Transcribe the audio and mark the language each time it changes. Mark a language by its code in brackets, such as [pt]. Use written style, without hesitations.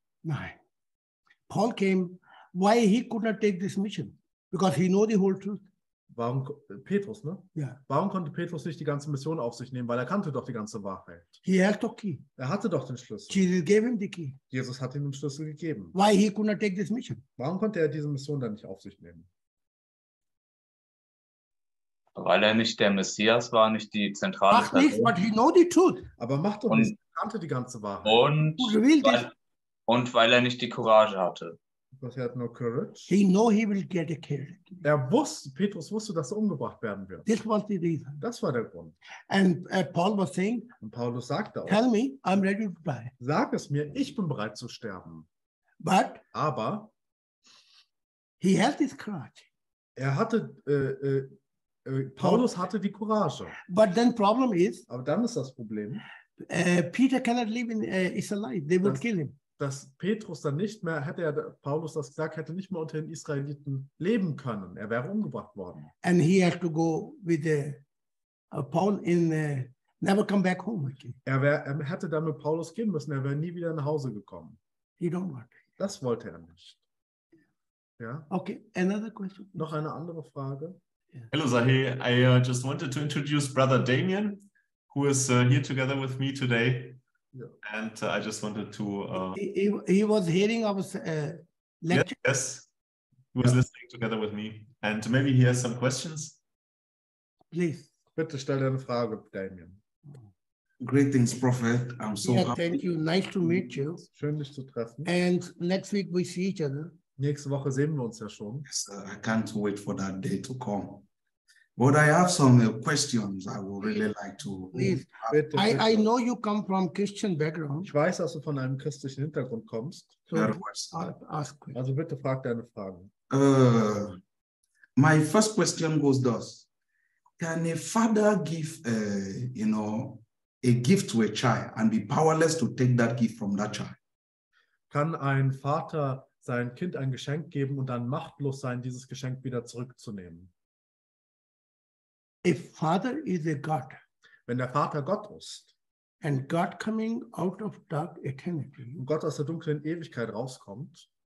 [de] Nein. [en] Paul came, why he could not take this mission? Because he knew the whole truth. [de] Warum, Petrus, ne? Ja. Warum konnte Petrus nicht die ganze Mission auf sich nehmen? Weil er kannte doch die ganze Wahrheit. [en] He had the key. [de] Er hatte doch den Schlüssel. [en] Jesus gave him the key. [de] Jesus hat ihm den Schlüssel gegeben. [en] Why he could not take this mission? [de] Warum konnte er diese Mission dann nicht auf sich nehmen? Weil er nicht der Messias war, nicht die zentrale Person. Macht nicht, [en] but he know the truth. [de] Aber macht doch nicht, er kannte die ganze Wahrheit. Und weil er nicht die Courage hatte. [en] Because he had no courage. He know he will get killed. [de] Er wusste, Petrus wusste, dass er umgebracht werden wird. [en] This was the reason. [de] Das war der Grund. [en] And Paul was saying. [de] Und Paulus sagte auch. [en] Tell me, I'm ready to die. [de] Sag es mir, ich bin bereit zu sterben. [en] But. [de] Aber. [en] He had his courage. [de] Er hatte, Paulus hatte die Courage. [en] But then problem is. [de] Aber dann ist das Problem. [en] Peter cannot live in Israel. They will kill him. [de] Dass Petrus dann nicht mehr, hätte er Paulus das gesagt, hätte nicht mehr unter den Israeliten leben können. Er wäre umgebracht worden. [en] And he had to go with Paul in never come back home again. [de] Er hätte dann mit Paulus gehen müssen. Er wäre nie wieder nach Hause gekommen. [en] He don't want. [de] Das wollte er nicht. Ja. [en] Okay. Another question. [de] Noch eine andere Frage. [en] Yeah. Hello Zahi, I just wanted to introduce Brother Damien, who is here together with me today. Yeah. And I just wanted to... He was hearing our lecture? Yes, he was listening together with me. And maybe he has some questions. Please. [de] Bitte stell deine Frage, Damien. [en] Greetings, Prophet. I'm so happy. Thank you. Nice to meet you. [de] Schön, dich zu treffen. [en] And next week we see each other. [de] Nächste Woche sehen wir uns ja schon. [en] Yes, I can't wait for that day to come. But I have some questions I would really like to... Please, I know you come from Christian background. [de] Ich weiß, dass du von einem christlichen Hintergrund kommst. Also bitte frag deine Fragen. [en] My first question goes thus. Can a father give a gift to a child and be powerless to take that gift from that child? [de] Kann ein Vater sein Kind ein Geschenk geben und dann machtlos sein, dieses Geschenk wieder zurückzunehmen? [en] If Father is a God, [de] wenn der Vater Gott ist, [en] and God coming out of dark eternity, [de] und Gott aus der dunklen Ewigkeit rauskommt,